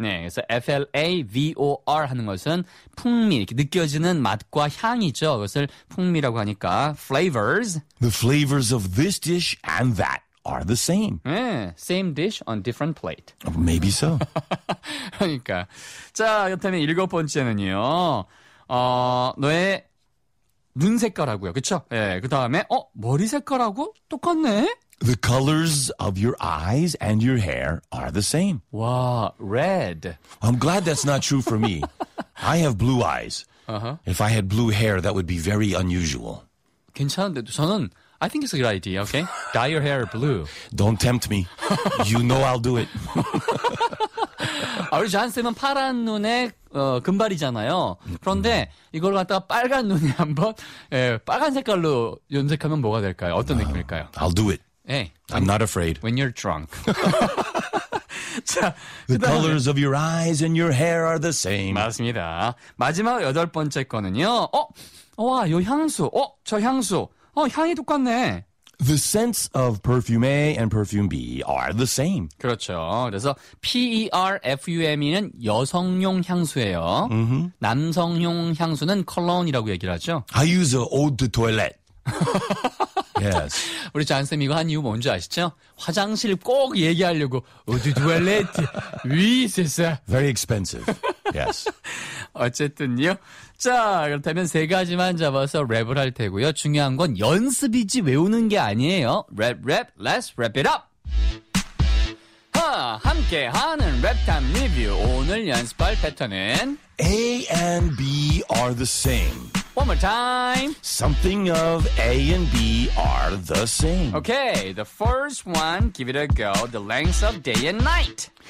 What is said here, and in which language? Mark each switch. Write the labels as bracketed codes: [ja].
[ko] 네, 그래서 F-L-A-V-O-R 하는 것은 풍미, 이렇게 느껴지는 맛과 향이죠. 그것을 풍미라고 하니까 flavors. [en] The flavors of this dish and that. Are the same. Yeah, same dish on different plate. Maybe so. [ko] 그러니까. 자, 그렇다면 일곱 번째는요. 너의 눈 색깔하고요. 그렇죠? 예. 그다음에 머리 색깔하고 똑같네. [en] The colors of your eyes and your hair are the same. Wow, red. I'm glad that's not true for me. I have blue eyes. Uh-huh. If I had blue hair, that would be very unusual. [ko] 괜찮은데 저는 [en] I think it's a good idea, okay? Dye your hair blue. Don't tempt me. You know I'll do it. [ko] 우리 존쌤은 파란 눈에 금발이잖아요. 그런데 이걸 갖다가 빨간 눈에 한번 빨간 색깔로 염색하면 뭐가 될까요? 어떤 느낌일까요? [en] I'll do it. Hey, I'm not afraid. When you're drunk. 자, the colors of your eyes and your hair are the same. [ko] 맞습니다. 마지막 여덟 번째 거는요. 와, 요 향수. 저 향수. 향이 똑같네. [en] The scents of perfume A and perfume B are the same. [ko] 그렇죠. 그래서 perfume는 여성용 향수예요. Mm-hmm. 남성용 향수는 cologne이라고 얘기를 하죠. [en] I use a eau de toilette. Yes. [ko] 우리 잔쌤 이거 한 이유 뭔지 아시죠? 화장실 꼭 얘기하려고 eau de toilette. [fr] Oui, c'est ça. [en] Very expensive. Yes. [ko] 어쨌든요. 자, 그렇다면 세 가지만 잡아서 랩을 할 테고요. 중요한 건 연습이지 외우는 게 아니에요. [en] 랩, 랩, let's wrap it up. [ko] 함께하는 랩탐 리뷰. 오늘 연습할 패턴은 [en] A and B are the same. One more time. Something of A and B are the same. Okay, the first one, give it a go. The lengths of day and night.